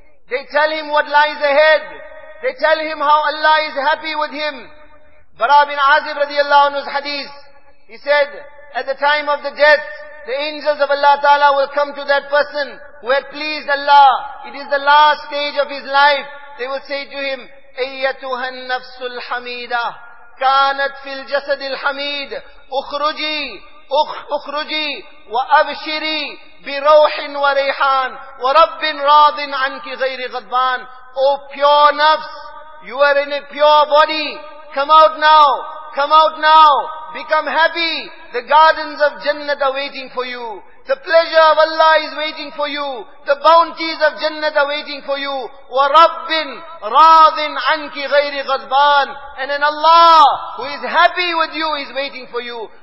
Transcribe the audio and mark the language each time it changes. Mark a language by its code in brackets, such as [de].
[en] They tell him what lies ahead. They tell him how Allah is happy with him. Bara bin Azib radiallahu anhu's hadith, he said, at the time of the death, the angels of Allah Ta'ala will come to that person who had pleased Allah. It is the last stage of his life. [ar] They will say to him, أَيَّتُهَا النَّفْسُ الْحَمِيدَةِ كَانَتْ فِي الْجَسَدِ الْحَمِيدِ أُخْرُجِي أُخْرُجِي وَأَبْشِرِي بِرَوْحٍ وَرَيْحَانٍ وَرَبٍ رَاضٍ عَنْكِ غَيْرِ غَضْبَانٍ. [en] O pure nafs, you are in a pure body. Come out now. Come out now. Become happy. The gardens of Jannat are waiting for you. The pleasure of Allah is waiting for you. The bounties of Jannat are waiting for you. [ar] Wa Rabbin Radin Anki Ghairi Ghazban. [en] And an Allah who is happy with you is waiting for you.